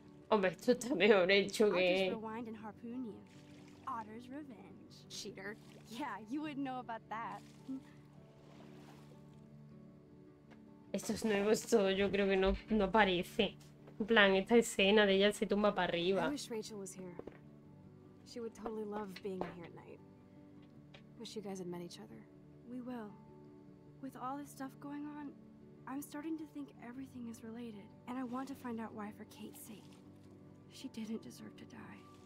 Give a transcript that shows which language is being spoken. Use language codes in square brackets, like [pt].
[es] Hombre, esto está mejor hecho que... [en] I'll just rewind and harpoon you. Otter's revenge. Cheater. Yeah, you wouldn't know about that. [es] Estos nuevos todo, yo creo que no aparece. En plan, esta escena de ella se tumba para arriba. [en] I wish Rachel was here. She would totally love being here at night. Wish you guys had met each other. We will. With all this stuff going on, I'm starting to think everything is related. And I want to find out why for Kate's sake. She didn't deserve to die.